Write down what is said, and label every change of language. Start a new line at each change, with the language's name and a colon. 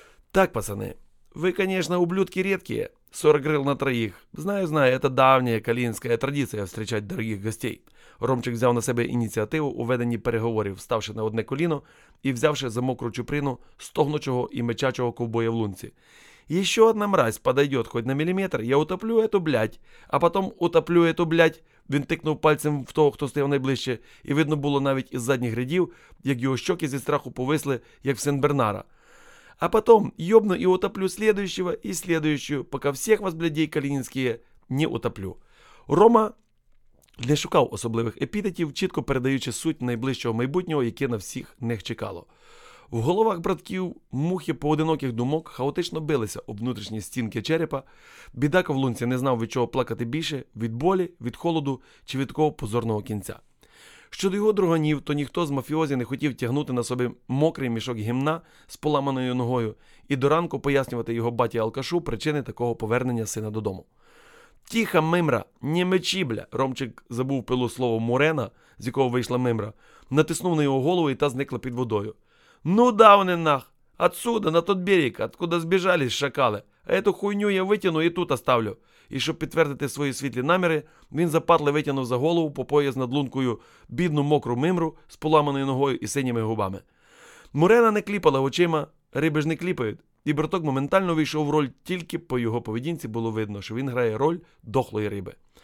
Ukrainian: Так, пацани, ви, звісно, ублюдки рідкі, 40 грил на троїх. Знаю, це давня калінська традиція зустрічати дорогих гостей. Ромчик взяв на себе ініціативу у веденні переговорів, ставши на одне коліно і взявши за мокру чуприну стогнучого і мечачого ковбоя в лунці. «Ще одна
Russian: мразь подойдет хоть на міліметр, я утоплю эту блядь, а потом утоплю эту блядь».
Ukrainian: Він тикнув пальцем в того, хто стояв найближче, і видно було навіть із задніх рядів, як його щоки зі страху повисли, як в Сен-Бернара.
Russian: «А потом йобну і утоплю следующего і следующую,
Ukrainian: поки всіх вас,
Russian: блядей калінінські, не утоплю».
Ukrainian: Рома не шукав особливих епітетів, чітко передаючи суть найближчого майбутнього, яке на всіх них чекало. В головах братків мухи поодиноких думок хаотично билися об внутрішні стінки черепа. Бідак в лунці не знав, від чого плакати більше – від болі, від холоду чи від такого позорного кінця. Щодо його друганів, то ніхто з мафіозі не хотів тягнути на собі мокрий мішок гімна з поламаною ногою і до ранку пояснювати його баті-алкашу причини такого повернення сина додому. «Тіха мимра, не мечі, бля!» – Ромчик забув пилу слово «мурена», з якого вийшла мимра, натиснув на його голову і та зникла під водою. «Ну да, вони нах!
Russian: Отсюда, на тот берег, откуда збіжались шакали! А эту хуйню я витяну і тут оставлю!»
Ukrainian: І щоб підтвердити свої світлі наміри, він западли витягнув за голову по пояс над лункою бідну мокру мимру з поламаною ногою і синіми губами. Мурена не кліпала очима, риби ж не кліпають. І браток моментально війшов в роль, тільки по його поведінці було видно, що він грає роль дохлої риби.